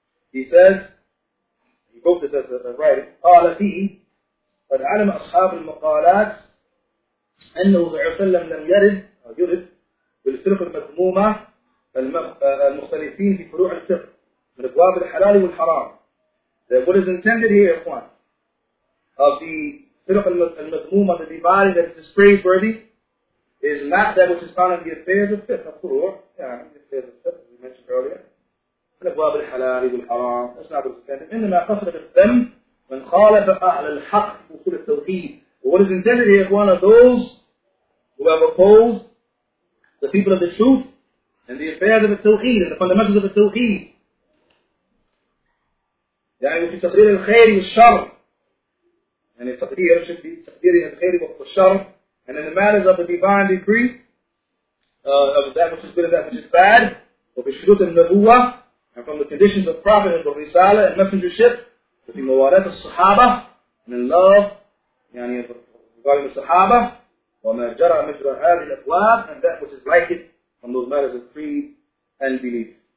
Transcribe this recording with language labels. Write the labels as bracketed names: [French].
[English] He says, he wrote this as a writing, [Arabic] قال فيه قد علم أصحاب المقالات أنه صلى الله عليه وسلم لم يرد أو يرد بالفرق المذمومة المختلفين في فروع الفقه من أبواب الحلال والحرام. [English] What is intended here, إخوان, of the [Arabic] فرق المذمومة, [English] the divide that is praiseworthy, is not that which is found in the affairs of fiqh, of فروع, يعني the affairs of fiqh, as we mentioned earlier, [Arabic] من أبواب الحلال والحرام. [English] That's not what is intended. [Arabic] إنما قصد بالذم من خالف أهل الحق في وصول التوحيد. [English] What is intended here, إخوان, of those who have opposed the people of the truth and the affairs of the Tawheed and the fundamentals of the Tawheed. [Arabic] يعني في تقدير الخير والشر. [English] And in تقدير should be [Arabic] تقدير الخير والشر. [English] And in the matters of the divine decree, of that which is good and that which is bad, of the shurut and nabuwa, and from the conditions of prophet and of risala and messengership, with the mawarat al-sahaba, and in love, يعني regarding the sahaba, [Arabic] وَمَا جَرَى مِجْرَى هَذِي الْأَبْوَابِ [English] and that which is like it from those matters of creed and belief.